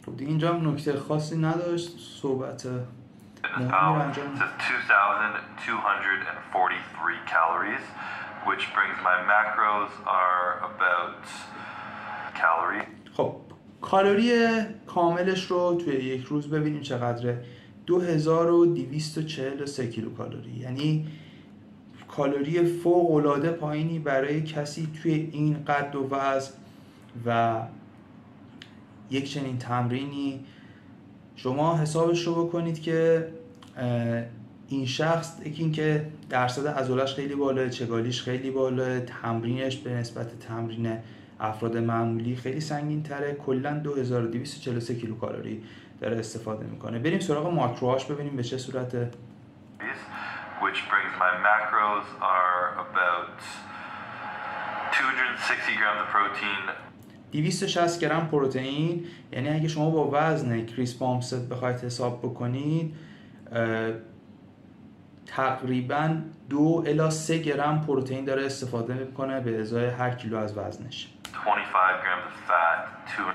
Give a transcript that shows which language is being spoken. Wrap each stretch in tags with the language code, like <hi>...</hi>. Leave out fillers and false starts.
<fa>دیگه اینجا هم نکته خاصی نداشت صحبت.</fa> <en>It's 2,243 calories, which brings my macros are about calorie.</en> <fa>خب کالری کاملش رو توی یک روز ببینیم چقدره. 2243 کیلوکالری، یعنی کالری فوق العاده پایینی برای کسی توی این قد و وزن و یک چنین تمرینی شما حسابش رو بکنید که این شخص یکی که درصد عضلاش خیلی بالا، چگالیش خیلی بالا، تمرینش به نسبت تمرین افراد معمولی خیلی سنگین تره، کلن 2243 کیلوکالری داره استفاده میکنه. بریم سراغ ماکروهاش ببینیم به چه صورته.</fa> <en>Which brings my macros are about 260 grams of protein.</en> <fa>260 گرم پروتئین، یعنی اگه شما با وزن کریس پامست بخواید حساب بکنید تقریبا 2 الی 3 گرم پروتئین داره استفاده میکنه به ازای هر کیلو از وزنش. 25 گرم فت،</fa>